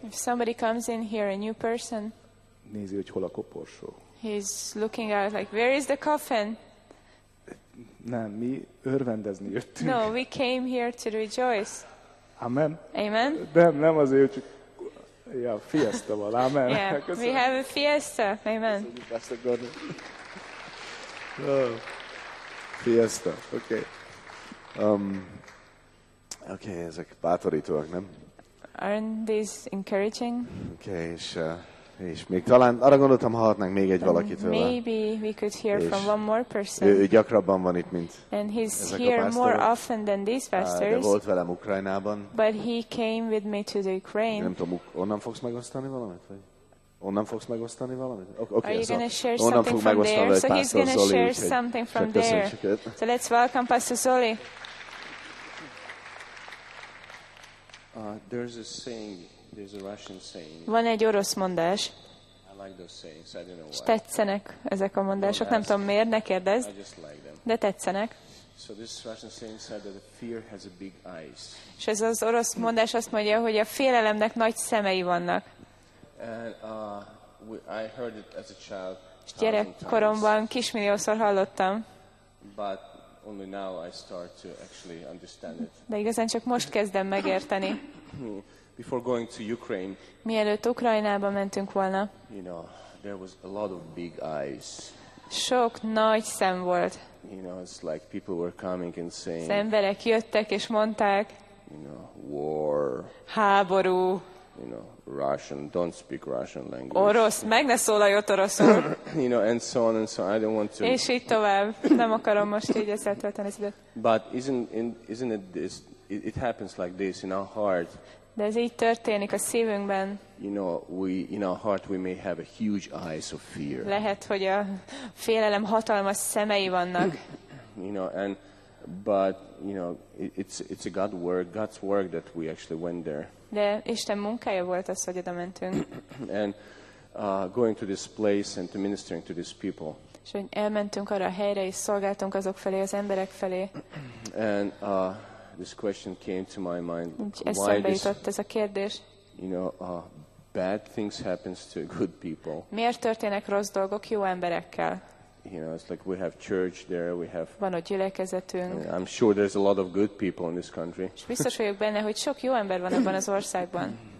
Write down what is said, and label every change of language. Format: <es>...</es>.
<en>If somebody comes in here, a new person.</en> <hu>Nézi, hogy hol a koporsó.</hu> <en>He's looking out like, where is the coffin?</en> <hu>Nem, mi örvendezni jöttünk.</hu> <en>No, we came here to rejoice. Amen. Amen.</en> <hu>Nem azért, csak ja, fiesta van.</hu> <en>Amen. Yeah, köszönöm. We have a fiesta. Amen. Fiesta. Okay.</en> <hu>Okay, ezek bátorítóak, nem?</hu> <en>Aren't these encouraging?</en> <hu>Okay, és még talán arra gondoltam, hallhatnánk még egy valakitől.</hu> <en>Maybe we could hear from one more person.</en> <hu>Ő gyakrabban van itt, mint</hu> <en>and he's here more often than these pastors.</en> <hu>De volt velem Ukrajnában.</hu> <en>But he came with me to the Ukraine.</en> <hu>Nem tudom, onnan fogsz megosztani valamit? Onnan fogsz megosztani valamit?</hu> <en>Okay, are you going to share something from there? So he's going to share something from there. So let's welcome Pastor Zoli. There's a saying. There's a Russian saying.</en> <hu>Van egy orosz mondás.</hu> <en>I like those sayings. I don't know why.</en> <hu>Tetszenek ezek a mondások, nem tudom miért, ne kérdezd.</hu> <en>I just like them.</en> <hu>De tetszenek.</hu> <en>So this Russian saying said that fear has a big eyes.</en> <hu>És ez az orosz mondás azt mondja, hogy a félelemnek nagy szemei vannak.</hu> <en>And I heard it as a child.</en> <hu>Gyerekkoromban kismilliószor hallottam.</hu> <en>But only now I start to actually understand it.</en> <hu>De igazán csak most kezdem megérteni.</hu> <en>Before going to Ukraine.</en> <hu>Mielőtt Ukrajnába mentünk volna.</hu> <en>You know, there was a lot of big eyes.</en> <hu>Sok nagy szem volt.</hu> <en>You know, it's like people were coming and saying.</en> <hu>Az emberek jöttek és mondták.</hu> <en>You know, war.</en> <hu>Háború.</hu> <en>You know, Russian, don't speak Russian language.</en> <hu>Orosz, meg ne szólalj ott oroszul.</hu> <en>You know, and so on and so on. I don't want to.</en> <hu>És így tovább. Nem akarom most így ezzel tölteni az időt.</hu> <en>But isn't it this? It happens like this in our heart.</en> <hu>De ez így történik a szívünkben.</hu> <en>You know, we in our heart we may have a huge eyes of fear.</en> <hu>Lehet, hogy a félelem hatalmas szemei vannak.</hu> <en>You know, and but you know, it's a God work, God's work that we actually went there.</en> <hu>De Isten munkája volt az, hogy oda mentünk.</hu> <en>And going to this place and to ministering to these people.</en> <hu>És hogy elmentünk arra a helyre és szolgáltunk azok felé, az emberek felé.</hu> <en>And this question came to my mind. Why this,</en> <hu>ez a kérdés?</hu> <en>You know, bad things happens to good people.</en> <hu>Miért történnek rossz dolgok jó emberekkel?</hu> <en>You know, it's like we have church there, we have.</en> <hu>Van ott gyülekezetünk.</hu> <en>I'm sure there's a lot of good people in this country.</en> <hu>És biztos vagyok benne, hogy sok jó ember van ebben az országban.</hu>